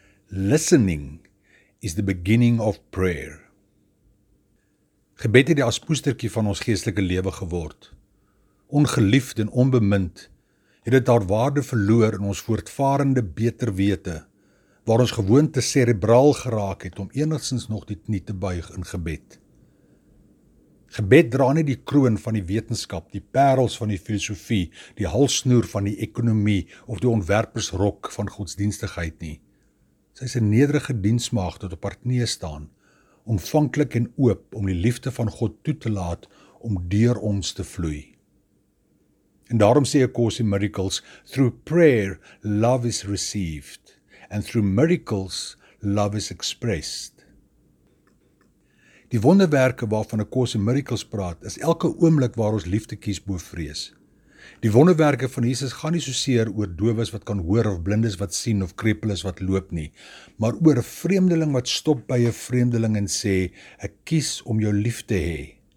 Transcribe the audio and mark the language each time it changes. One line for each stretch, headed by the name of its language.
English: Listening is the beginning of prayer.
Afrikaans: Gebed het die aspoestertjie van ons geestelike lewe geword. Ongeliefd en onbemind het dit haar waarde verloor in ons voortvarende beter wete, waar ons gewoonte cerebraal geraak het om enigszins nog die knie te buig in gebed. Gebed dra nie die kroon van die wetenskap, die parels van die filosofie, die halsnoer van die ekonomie of die ontwerpersrok van godsdienstigheid nie. Sy is 'n nederige diensmaagd tot op haar knieë staan, ontvanklik en oop om die liefde van God toe te laat om deur ons te vloei. En daarom sê
English: A Course in Miracles, through prayer love is received and through miracles love is expressed.
Afrikaans: Die wonderwerke waarvan 'n Course in Miracles praat, is elke oomblik waar ons liefde kies bo vrees. Die wonderwerke van Jesus gaan nie soseer oor dowes wat kan hoor of blindes wat sien of kreples wat loop nie, maar oor 'n vreemdeling wat stop by 'n vreemdeling en sê, ek kies om jou liefde hê.